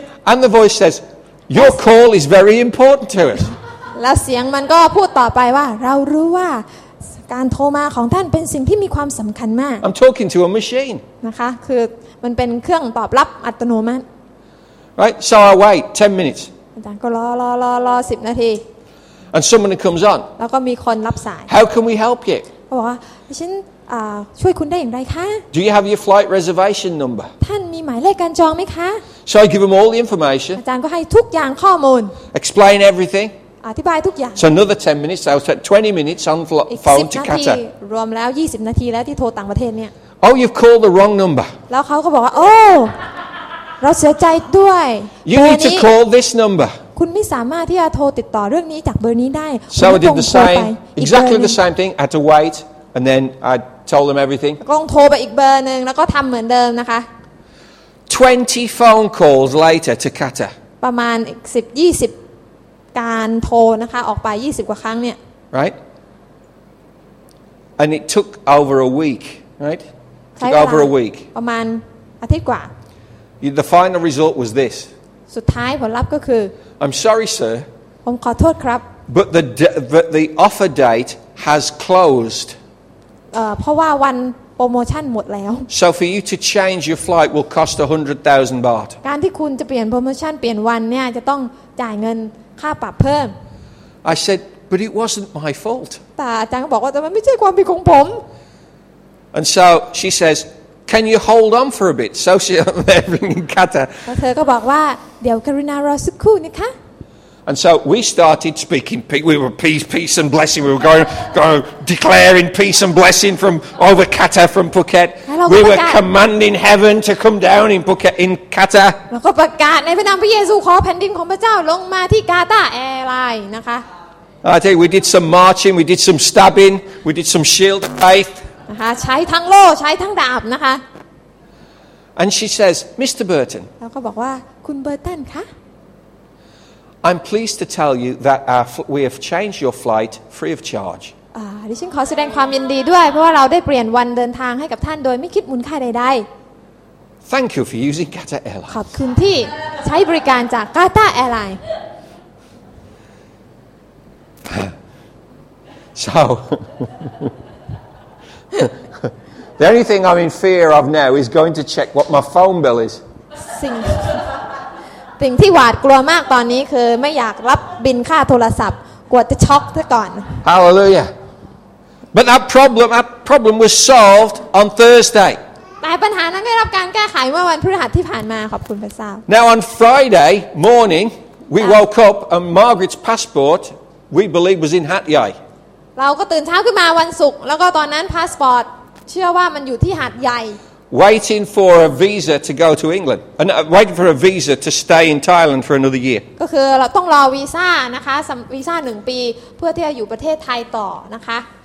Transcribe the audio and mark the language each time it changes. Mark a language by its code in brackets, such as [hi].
[en] And the voice says your call is very important to us [th] แล้วเสียงมันก็พูดต่อไปว่าเรารู้ว่าการโทรมาของท่านเป็นสิ่งที่มีความสำคัญมาก [en] I'm talking to a machine [th] นะคะคือมันเป็นเครื่องตอบรับอัตโนมัติ [en] Right so I wait 10 minutes [th] ก็รอ10นาที [en] And someone comes on [th] แล้วก็มีคนรับสาย [en] How can we help you [th] บอกว่าฉันช่วยคุณได้อย่างไรคะ [en] Do you have your flight reservation number [th] ท่านมีหมายเลขการจองไหมคะ [en] So I give him all the information [th] อาจารย์ก็ให้ทุกอย่างข้อมูล [en] Explain everything [th] อธิบายทุกอย่าง [en] So another 10 minutes I was at 20 minutes on phone to Qatar [th] รวมแล้ว20นาทีแล้วที่โทรต่างประเทศเนี่ย [en] Oh you've called the wrong number [th] แล้วเขาก็บอกว่าโอ้เราเสียใจด้วย [en] You need to call this number [th] คุณไม่สามารถที่จะโทรติดต่อเรื่องนี้จากเบอร์นี้ได้ [en] So I did the same exactly the same thing I had to wait and then I told them everything [th] ก็ต้องโทรไปอีกเบอร์นึงแล้วก็ทำเหมือนเดิมนะคะ [en] 20 phone calls later to Qatar [th] ประมาณ10-20การโทรนะคะออกไป20กว่าครั้งเนี่ย [en] Right and it took over a week right took over a week [th] ประมาณอาทิตย์กว่า [en] The final result was this. [th] สุดท้ายผลลัพธ์ก็คือ [en] I'm sorry, sir. [th] ผมขอโทษครับ [en] But the offer date has closed. [th] เพราะว่าวันโปรโมชั่นหมดแล้ว [en] So for you to change your flight will cost 100,000 baht. [th] การที่คุณจะเปลี่ยนโปรโมชั่นเปลี่ยนวันเนี่ยจะต้องจ่ายเงินค่าปรับเพิ่ม [en] I said, but it wasn't my fault. [th] แต่อาจารย์ก็บอกว่าแต่มันไม่ใช่ความผิดของผม [en] And so she says. Can you hold on for a bit? So she's there ringing Qatar. [th] เธอก็บอกว่าเดี๋ยวกรุณารอสักครู่นะคะ [en] And so we started speaking peace. We were peace and blessing. We were going declaring peace and blessing from over Qatar, from Phuket. We were commanding heaven to come down in Phuket, in Qatar. [th] แล้วก็ประกาศในพระนามพระเยซูขอแผ่นดินของพระเจ้าลงมาที่กาตาร์แอร์ไลน์นะคะ [en] I tell you, we did some marching, we did some stabbing, we did some shield of faith. [th] ใช้ทั้งโล่ใช้ทั้งดาบนะคะ [en] And she says, Mr. Burton. [th] แล้วก็บอกว่าคุณเบอร์ตันคะ [en] I'm pleased to tell you that we have changed your flight free of charge. [th] ดิฉันขอแสดงความยินดีด้วยเพราะว่าเราได้เปลี่ยนวันเดินทางให้กับท่านโดยไม่คิดมูลค่าใด [en] ๆ Thank you for using Qatar Airlines. [th] ขอบคุณที่ใช้บริการจาก Qatar [en] Airlines. So the only thing I'm in fear of now is going to check what my phone bill is. [th] สิ่งที่หวาดกลัวมากตอนนี้คือไม่อยากรับบินค่าโทรศัพท์กลัวจะช็อกซะก่อน [en] Hallelujah But that problem was solved on Thursday [th] แต่ปัญหานั้นได้รับการแก้ไขเมื่อวันพฤหัสที่ผ่านมาขอบคุณพระเจ้า [en] Now on Friday morning we woke up and Margaret's passport we believe was in Hat Yai [th] เราก็ตื่นเช้าขึ้นมาวันศุกร์แล้วก็ตอนนั้นพาสปอร์ตเชื่อว่ามันอยู่ที่หาดใหญ่ [en] Waiting for a visa to go to England, and waiting for a visa to stay in Thailand for another year. [th] ก็คือเราต้องรอวีซ่านะคะวีซ่า1ปีเพื่อที่จะอยู่ประเทศไทยต่อนะคะ